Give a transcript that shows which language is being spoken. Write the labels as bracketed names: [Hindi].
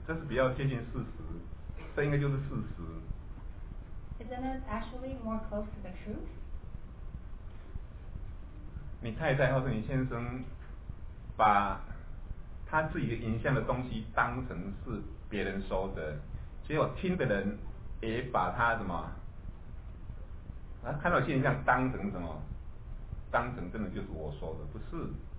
[Chinese] 这是比较接近事实，这应该就是事实。 [English] Isn't it actually more close to the truth? [Chinese] 你太太或者你先生把他自己的影像的东西当成是别人说的，结果听的人。也把他什么他看到现象当成什么当成真的就是我说的不是